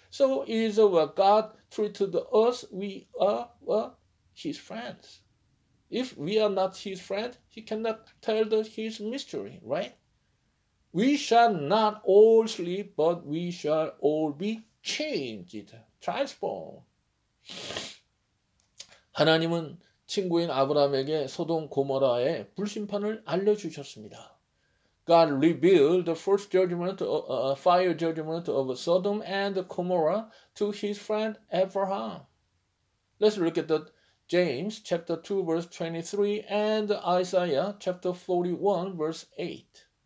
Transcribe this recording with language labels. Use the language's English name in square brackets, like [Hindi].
[English] So is what God treated us, we are his friends. If we are not his friend, he cannot tell his mystery, right? We shall not all sleep, but we shall all be changed. Transform. [Korean] 하나님은 친구인 아브라함에게 소돔 고모라의 불심판을 알려주셨습니다. [English] God revealed the first judgment, fire judgment of Sodom and Gomorrah to his friend Abraham. Let's look at the James chapter 2 verse 23 and Isaiah chapter 41 verse 8.